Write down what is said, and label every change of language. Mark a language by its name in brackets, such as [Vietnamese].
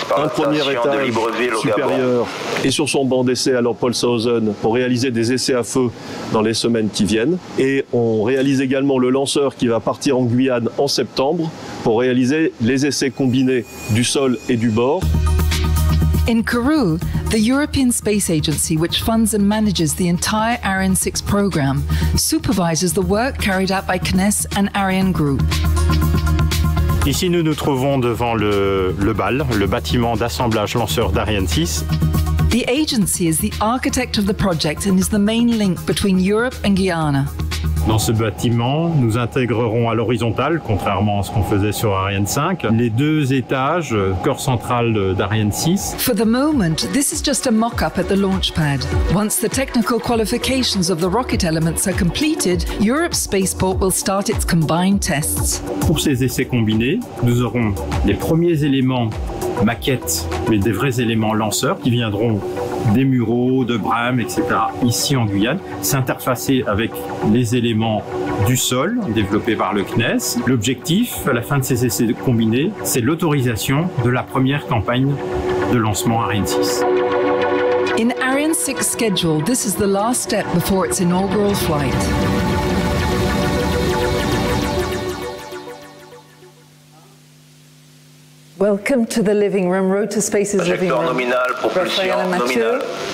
[French] Un premier étage supérieur et sur son banc d'essai à Lampolshausen pour réaliser des essais à feu dans les semaines qui viennent. Et on réalise également le lanceur qui va partir en Guyane en septembre pour réaliser les essais combinés du sol et du bord. [English] In Kourou, the European Space Agency, which funds and manages the entire Ariane 6 program, supervises the work carried out by CNES and Ariane Group. [French] Ici, nous nous trouvons devant le BAL, le bâtiment d'assemblage lanceur d'Ariane 6. [English] The agency is the architect of the project and is the main link between Europe and Guiana. [French] Dans ce bâtiment, nous intégrerons à l'horizontale, contrairement à ce qu'on faisait sur Ariane 5, les deux étages, corps central d'Ariane 6. [English] For the moment, this is just a mock-up at the launch pad. Once the technical qualifications of the rocket elements are completed, Europe's spaceport will start its combined tests. [French] Pour ces essais combinés, nous aurons les premiers éléments maquettes, mais des vrais éléments lanceurs qui viendront des mureaux, de brames, etc. ici en Guyane, s'interfacer avec les éléments du sol développés par le CNES. L'objectif, à la fin de ces essais combinés, c'est l'autorisation de la première campagne de lancement Ariane 6. [English] In Ariane 6 schedule, this is the last step before its inaugural flight. Welcome to the living room, Road to Space's living room. Nominal, propulsion nominal.